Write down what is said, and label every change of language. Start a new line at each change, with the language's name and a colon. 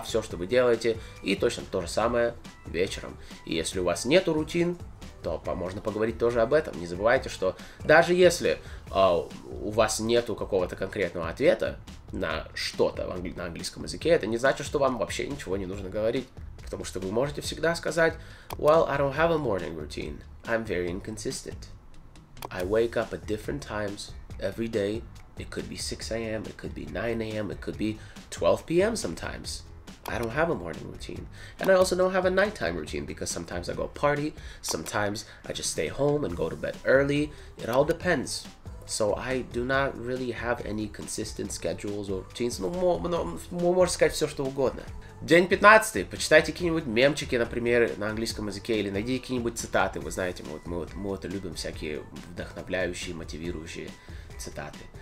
Russian: Все, что вы делаете. И точно то же самое вечером. И если у вас нету рутин, то можно поговорить тоже об этом. Не забывайте, что даже если у вас нету какого-то конкретного ответа на что-то на английском языке, это не значит, что вам вообще ничего не нужно говорить. Потому что вы можете всегда сказать:
English: «Well, I don't have a morning routine. I'm very inconsistent. I wake up at different times every day. It could be 6 a.m., it could be 9 a.m., it could be 12 p.m. sometimes. I don't have a morning routine. And I also don't have a nighttime routine, because sometimes I go party, sometimes I just stay home and go to bed early. It all depends. So I do not really have any consistent schedules or routines».
Russian: Ну, можно сказать все, что угодно. День 15. Почитайте какие-нибудь мемчики, например, на английском языке, или найди какие-нибудь цитаты. Вы знаете, мы вот любим всякие вдохновляющие, мотивирующие цитаты.